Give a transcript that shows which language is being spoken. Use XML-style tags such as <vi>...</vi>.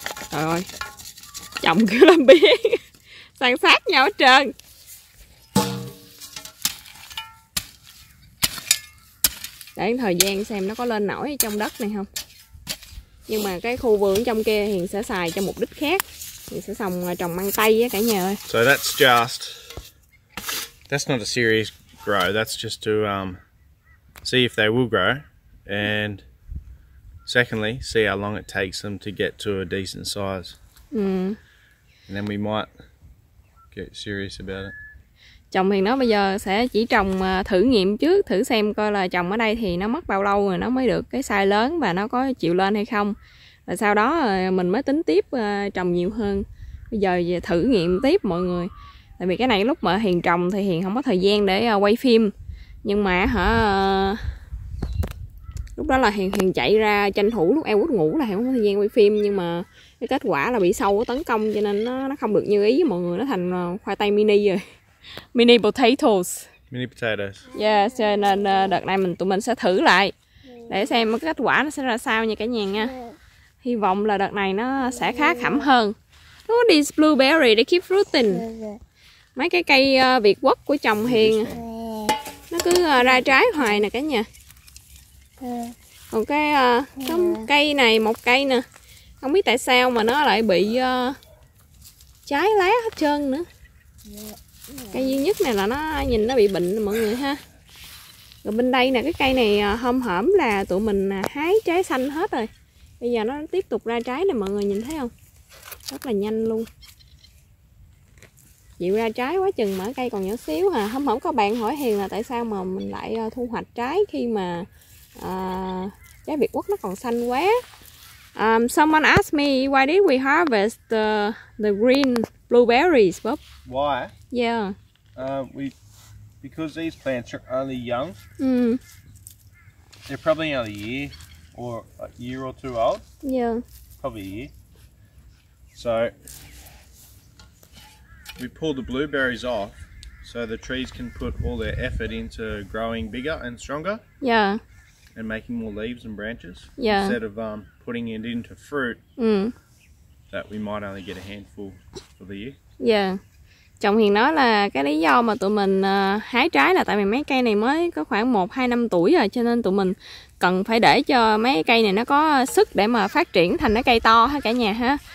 <vi>Trời ơi. Chồng cứ làm biến. San sát nhau hết trơn. Để thời gian xem nó có lên nổi ở trong đất này không. Nhưng mà cái khu vườn trong kia Hiền sẽ xài cho mục đích khác. Hiền sẽ xong trồng măng tây á cả nhà ơi.</vi> <en>So that's just, that's not a serious grow. That's just to see if they will grow. And secondly, see how long it takes them to get to a decent size. And then we might get serious about it.</en> <vi>Chồng thì nó bây giờ sẽ chỉ trồng thử nghiệm trước, thử xem coi là trồng ở đây thì nó mất bao lâu rồi nó mới được cái size lớn và nó có chịu lên hay không. Rồi sau đó mình mới tính tiếp trồng nhiều hơn. Bây giờ thử nghiệm tiếp mọi người. Tại vì cái này lúc mà Hiền trồng thì Hiền không có thời gian để quay phim. Nhưng mà hả, lúc đó là Hiền chạy ra tranh thủ lúc em quýt ngủ là Hiền không có thời gian quay phim. Nhưng mà cái kết quả là bị sâu tấn công cho nên nó không được như ý với mọi người, nó thành khoai tây mini rồi.</vi> <en>Mini potatoes. Mini potatoes.</en> <vi>Yeah, cho nên đợt này tụi mình sẽ thử lại để xem cái kết quả nó sẽ ra sao nha cả nhà nha. Hy vọng là đợt này nó sẽ khá khẩm hơn.</vi> <en>Look at these blueberry, they keep fruiting.</en> <vi>Mấy cái cây Việt Quốc của chồng Hiền nó cứ ra trái hoài nè cả nhà. Còn cái cây này, một cây nè, không biết tại sao mà nó lại bị trái lá hết trơn nữa. Cây duy nhất này là nó nhìn nó bị bệnh mọi người ha. Rồi bên đây nè, cái cây này hôm hởm là tụi mình hái trái xanh hết rồi. Bây giờ nó tiếp tục ra trái nè mọi người nhìn thấy không? Rất là nhanh luôn. Chịu ra trái quá chừng mà cây còn nhỏ xíu hả. Hôm hởm có bạn hỏi Hiền là tại sao mà mình lại thu hoạch trái khi mà trái Việt Quốc nó còn xanh quá.</vi> <en>Someone asked me why did we harvest the green blueberries, Bob? Why? Yeah. Because these plants are only young. Mm. They're probably only a year or two old. Yeah. Probably a year. So we pull the blueberries off so the trees can put all their effort into growing bigger and stronger. Yeah. And making more leaves and branches. Yeah. Instead of putting it into fruit that we might only get a handful for the year. Yeah.</en> <vi>Chồng Hiền nói là cái lý do mà tụi mình hái trái là tại vì mấy cây này mới có khoảng 1-2 năm tuổi rồi, cho nên tụi mình cần phải để cho mấy cây này nó có sức để mà phát triển thành cái cây to ha cả nhà ha.</vi>